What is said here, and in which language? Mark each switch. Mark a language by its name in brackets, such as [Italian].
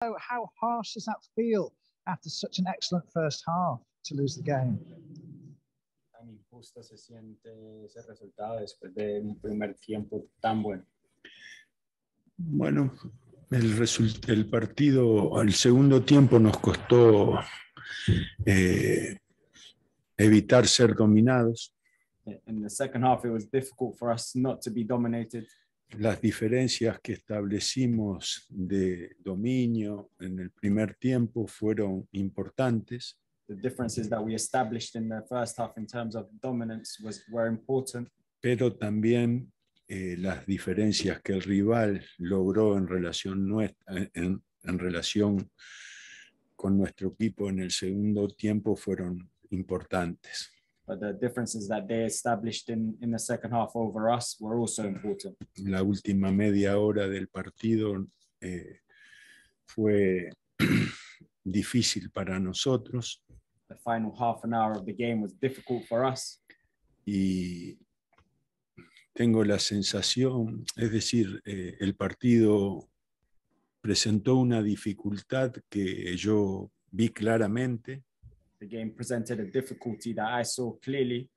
[English] So how harsh does that feel after such an excellent first half to lose the game? [Spanish] Tan injusta se siente ese resultado después de mi primer tiempo tan bueno. Bueno, el partido, el segundo tiempo nos costó evitar ser dominados. [English] In the second half, it was difficult for us not to be dominated. [Spanish] Las diferencias que establecimos de dominio en el primer tiempo fueron importantes. [English] The differences that we established in the first half in terms of dominance were important. [Spanish] Pero también las diferencias que el rival logró en relación nuestra, en relación con nuestro equipo en el segundo tiempo fueron importantes. [English] But the differences that they established in the second half over us were also important. [Spanish] La última media hora del partido fue difícil para nosotros [English] The final half an hour of the game was difficult for us. [Spanish] y tengo la sensación, es decir, el partido presentó una dificultad que yo vi claramente [English] The game presented a difficulty that I saw clearly.